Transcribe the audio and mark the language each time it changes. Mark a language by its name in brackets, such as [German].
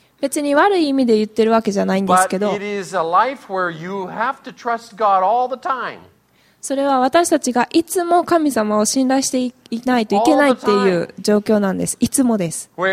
[Japanese] 別に悪い意味で言ってるわけじゃないんですけど、 [English] But it is a life where you have to trust God all the time. [Japanese] それは私たちがいつも神様を信頼していないといけないっていう状況なんです。いつもです。